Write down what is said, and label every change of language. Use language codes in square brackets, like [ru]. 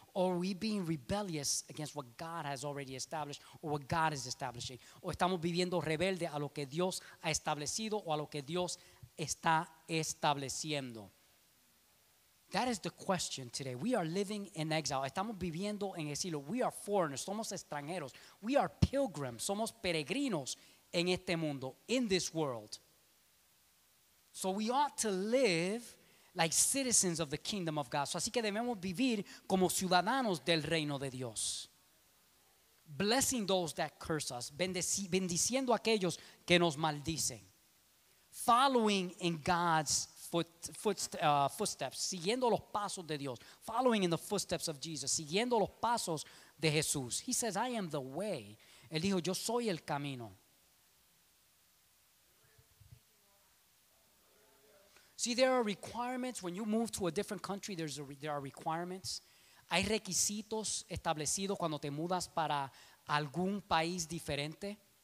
[en] Or are we being rebellious against what God has already established or what God is establishing? [es] O estamos viviendo rebelde a lo que Dios ha establecido o a lo que Dios está estableciendo. [en] That is the question today. We are living in exile. [es] Estamos viviendo en exilio. [en] We are foreigners. [es] Somos extranjeros. [en] We are pilgrims. [es] Somos peregrinos en este mundo, [en] in this world. So we ought to live like citizens of the kingdom of God. So [es] así que debemos vivir como ciudadanos del reino de Dios. [en] Blessing those that curse us. [es] Bendiciendo a aquellos que nos maldicen. [en] Following in God's footsteps. [es] Siguiendo los pasos de Dios. [en] Following in the footsteps of Jesus. [es] Siguiendo los pasos de Jesús. [en] He says, I am the way. [es] Él dijo, yo soy el camino. [en] See, there are requirements. When you move to a different country, there are requirements. [es] Hay requisitos establecidos cuando te mudas para algún país diferente.